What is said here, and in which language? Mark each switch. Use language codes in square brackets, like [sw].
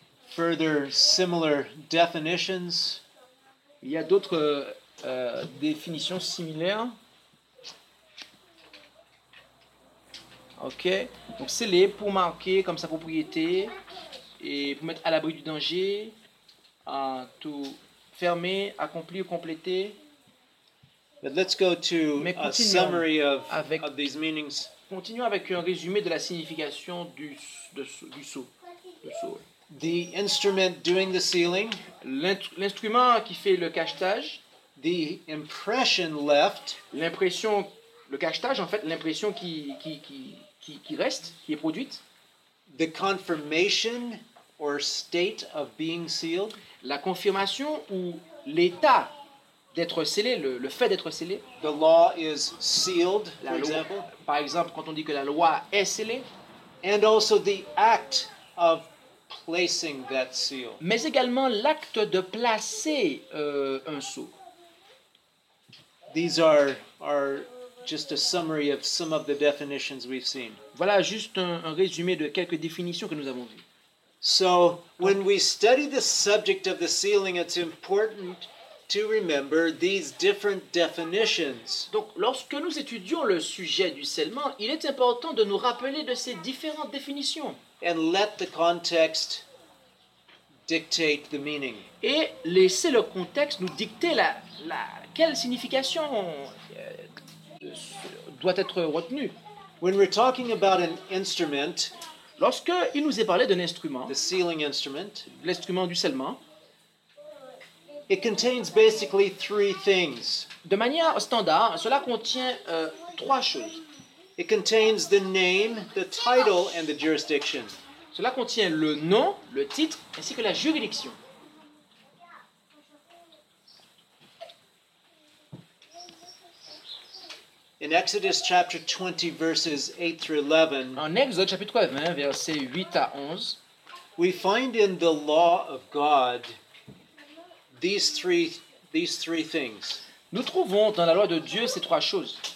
[en] Further similar definitions. [fr] Il y a d'autres définitions similaires. Ok. Donc, sceller pour marquer comme sa propriété et pour mettre à l'abri du danger à tout. Fermer, accomplir, compléter. [en] But let's go to a summary of these meanings. [fr] Continuons avec un résumé de la signification du sceau. [en] The instrument doing the sealing. [fr] L'instrument qui fait le cachetage. [en] The impression left. [fr] L'impression, le cachetage en fait, l'impression qui reste, qui est produite. [en] The confirmation or state of being sealed. [fr] La confirmation ou l'état d'être scellé, le fait d'être scellé. [en] The law is sealed, la for loi, example. [fr] Par exemple, quand on dit que la loi est scellée. [en] And also the act of placing that seal. [fr] Mais également l'acte de placer un sceau. [en] These are just a summary of some of the definitions we've seen. [fr] Voilà juste un résumé de quelques définitions que nous avons vues. [en] So, when we study the subject of the sealing, it's important to remember these different definitions. [fr] Donc, lorsque nous étudions le sujet du scellement, il est important de nous rappeler de ces différentes définitions. [en] And let the context dictate the meaning. [fr] Et laisser le contexte nous dicter quelle signification doit être retenue. [en] When we're talking about an instrument, [fr] lorsque il nous est parlé d'un instrument, [en] the sealing instrument, [fr] l'instrument du scellement, [en] it contains basically three things. [fr] De manière standard, cela contient trois choses. [en] It contains the name, the title, and the jurisdiction. [fr] Cela contient le nom, le titre, ainsi que la juridiction. [en] In Exodus chapter 20, verses 8 through 11. [fr] En Exode chapitre 20, versets 8 à 11. [en] We find in the law of God these three things. [fr] Nous trouvons dans la loi de Dieu ces trois choses.